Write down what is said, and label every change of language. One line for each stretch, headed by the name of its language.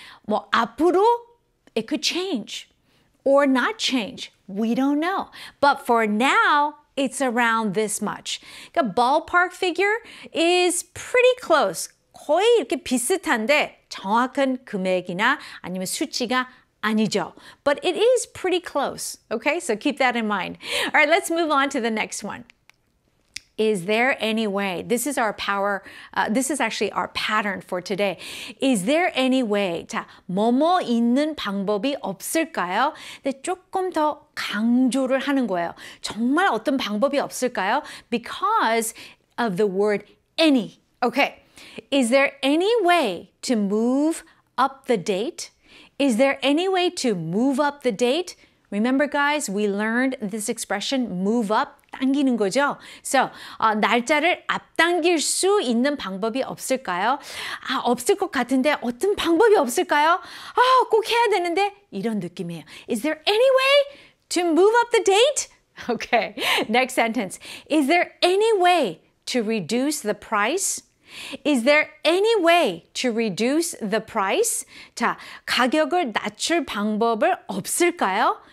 Korean: 뭐 앞으로
English: it could change or not change. We don't know. But for now, it's around this much. The ballpark figure is pretty close.
Korean: 거의 이렇게 비슷한데 정확한 금액이나 아니면 수치가 아니죠.
English: But it is pretty close. Okay, so keep that in mind. All right, let's move on to the next one. Is there any way? This is our power. This is actually our pattern for today. Is there any way?
Korean: 자, 뭐뭐 있는 방법이 없을까요? 근데 조금 더 강조를 하는 거예요. 정말 어떤 방법이 없을까요?
English: Because of the word any. Okay. Is there any way to move up the date? Is there any way to move up the date? Remember, guys, we learned this expression, move up,
Korean: 당기는 거죠. So, 날짜를 앞당길 수 있는 방법이 없을까요? 아, 없을 것 같은데 어떤 방법이 없을까요? 아, 꼭 해야 되는데 이런 느낌이에요.
English: Is there any way to move up the date? Okay, next sentence. Is there any way to reduce the price? Is there any way to reduce the price?
Korean: 자, 가격을 낮출 방법을 없을까요?